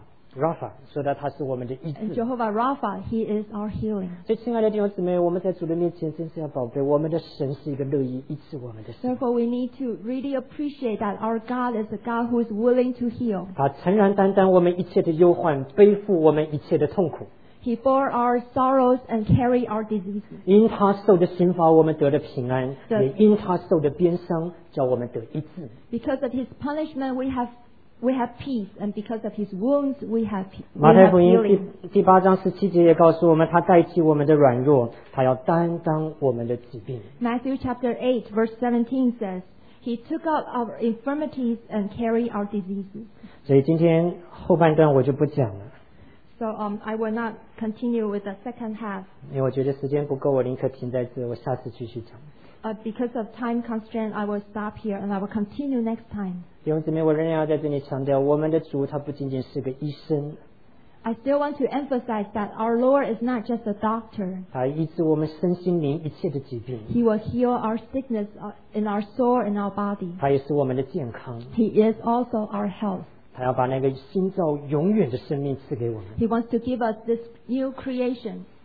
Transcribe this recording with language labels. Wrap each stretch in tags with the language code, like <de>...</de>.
<zh>这里讲到耶和华拉法，说到他是我们的医治。</zh> <en>And Jehovah Rapha, he is our healing.</en> <zh>所以，亲爱的弟兄姊妹，我们在主的面前真是要宝贝，我们的神是一个乐意医治我们的神。</zh> <en>Therefore, we need to really appreciate that our God is a God who is willing to heal.</en> <zh>把诚然担当我们一切的忧患，背负我们一切的痛苦。</zh> <en>He bore our sorrows and carried our diseases.</en> <zh>因他受的刑罚，我们得了平安；也因他受的鞭伤，叫我们得医治。</zh> <en>Because of his punishment, we have peace, and because of his wounds, we have healing.</en> <zh>马太福音第八章十七节也告诉我们，他代替我们的软弱，他要担当我们的疾病。</zh> <en>Matthew chapter 8 verse 17 says, He took out our infirmities and carried our diseases.</en> <zh>所以今天后半段我就不讲了。</zh> <en>So I will not continue with the second half.</en> <zh>因为我觉得时间不够，我宁可停在这，我下次继续讲。</zh> <en>Because of time constraint, I will stop here and I will continue next time.</en> <zh>弟兄姊妹，我仍然要在这里强调，我们的主他不仅仅是个医生。</zh> <en>I still want to emphasize that our Lord is not just a doctor. He will heal our sickness in our soul and our body. He is also our health. He wants to give us this new creation.</en>